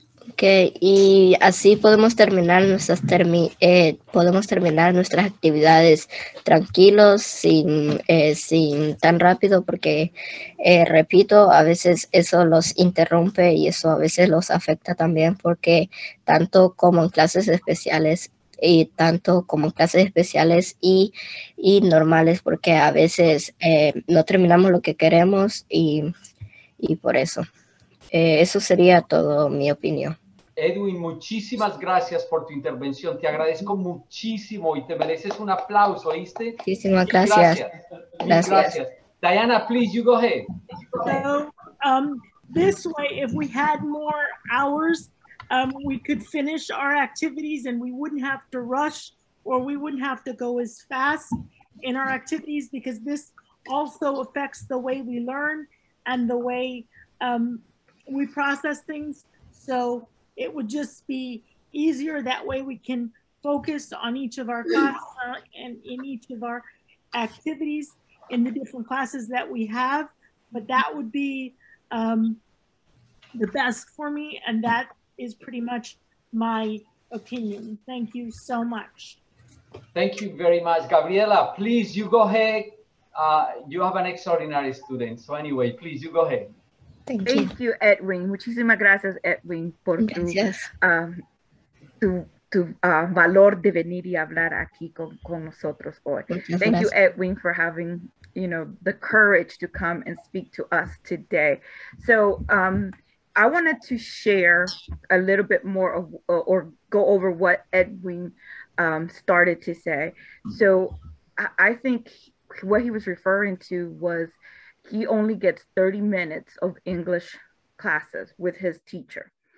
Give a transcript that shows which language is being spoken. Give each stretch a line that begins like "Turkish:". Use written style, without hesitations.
Spanish: Ok, y así podemos terminar nuestras actividades tranquilos, sin tan rápido, porque, repito, a veces eso los interrumpe y eso a veces los afecta también, porque tanto como en clases especiales, y normales, porque a veces no terminamos lo que queremos y por eso. Eso sería todo mi opinión. Edwin, muchísimas gracias por tu intervención. Te agradezco muchísimo y te mereces un aplauso, ¿oíste? Muchísimas gracias. Gracias.
English: Diana, please, you go ahead. So, this way, if we had more hours, we could finish our activities and we wouldn't have to rush or we wouldn't have to go as fast. in our activities, because this also affects the way we learn and the way we process things. So it would just be easier that way we can focus on each of our classes and in each of our activities in the different classes that we have. But that would be the best for me. And that is pretty much my opinion. Thank you so much. Thank you very much, Gabriela. Please, you go ahead. You have an extraordinary student. So anyway, please, you go ahead. Thank you, Edwin.
Spanish: Muchísimas gracias, Edwin, por tu valor de venir y hablar aquí con nosotros hoy.
English: Thank you, Edwin, for having, you know, the courage to come and speak to us today. So I wanted to share a little bit more of, or go over what Edwin started to say. So I think what he was referring to was he only gets 30 minutes of English classes with his teacher.